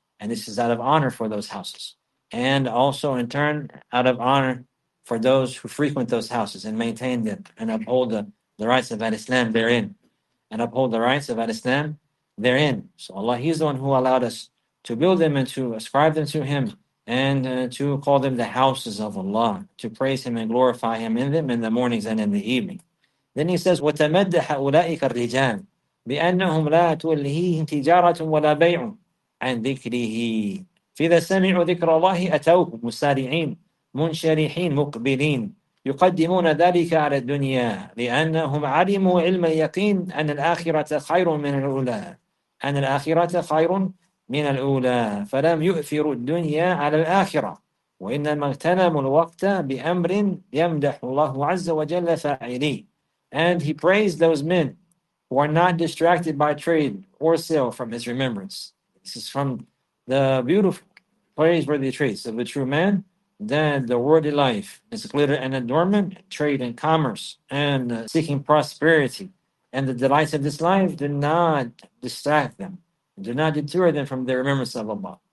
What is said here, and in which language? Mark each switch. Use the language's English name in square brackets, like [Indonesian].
[English] And this is out of honor for those houses. And also in turn, out of honor for those who frequent those houses and maintain them and uphold the rights of al-Islam therein. And uphold the rights of al-Islam therein. So Allah, he's the one who allowed us to build them and to ascribe them to him and to call them the houses of Allah, to praise him and glorify him in them in the mornings and in the evening. Then he says, [Arabic] وَتَمَدَّحَ أُولَٰئِكَ الرِّجَالِ بِأَنَّهُمْ لَا تُوَلْهِيهِمْ تِجَارَةٌ وَلَا بَيْعٌ عَنْ ذِكْرِهِ فِذَا سَمِعُوا ذِكْرَ اللَّهِ أَتَوْهُمْ مُسَارِعِينَ مُنْشَرِحِينَ مُقْبِلِينَ يقدمون ذلك على الدنيا لأنهم علموا علم اليقين أن الآخرة خير من الأولى أن الآخرة خير من الأولى فلم يؤثروا الدنيا على الآخرة وإنما اغتنموا الوقت بأمر يمدح الله عز وجل فاعلي. [English] And he praised those men who are not distracted by trade or sale from his remembrance. This is from the beautiful praiseworthy traits of the true man, that the worldly life is glitter and adornment, trade and commerce, and seeking prosperity, and the delights of this life do not distract them, do not deter them from their remembrance of Allah.